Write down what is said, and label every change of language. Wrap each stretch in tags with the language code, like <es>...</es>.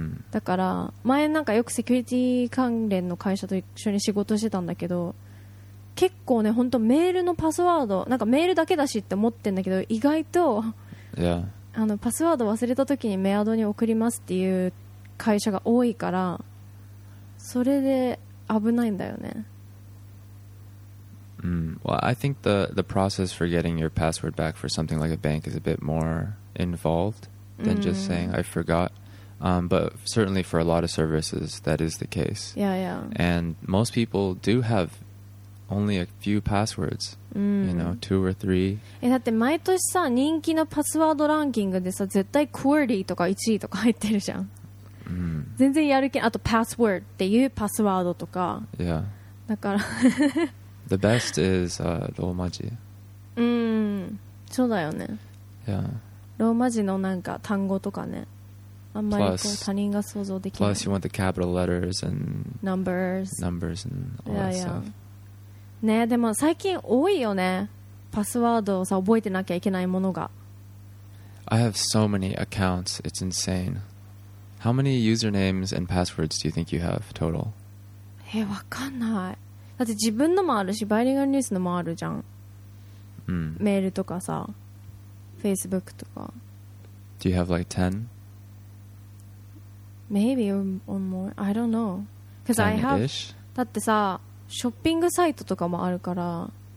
<ja>だから前なんかよくセキュリティ関連の会社と一緒に仕事してたんだけど、結構ね本当メールのパスワードなんかメールだけだしって思ってんだけど、意外と、</ja> <en>yeah.</en> <ja>あのパスワード忘れた時にメアドに送りますっていう会社が多いから、それで危ないんだよね。</ja> <en>Well, I think the process for getting your password back for something like a bank is a bit more involved than just saying I forgot. But certainly for a lot of services, that is the case. Yeah, yeah. And most people do have only a few passwords. You know, two or three.</en> <ja>え、だって毎年さ、人気のパスワードランキングでさ、絶対クエリーとか1位とか入ってるじゃん。全然やる気、あとパスワードっていうパスワードとか。</ja> <en>Yeah.</en> <ja>だから。</ja> <en>The best is ローマ字。</en> <ja>そうだよね。</ja> <en>Yeah.</en> <ja>ローマ字のなんか単語とかね。あんまりこう他人が想像できない。</ja> <en>Plus you want the capital letters and numbers and all that stuff.</en> <ja>ね、でも最近多いよね。パスワードをさ覚えてなきゃいけないものが。</ja> <en>I have so many accounts. It's insane. How many usernames and passwords do you think you have total?</en> <ja>え、わかんない。だって自分のもあるし、バイリンガルニュースのもあるじゃん。メールとかさ、Facebook とか。</ja> <en>Do you have like 10? Maybe or more. I don't know. Because I have...</en> <ja>だってさ、ショッピングサイトとかもあるから。</ja>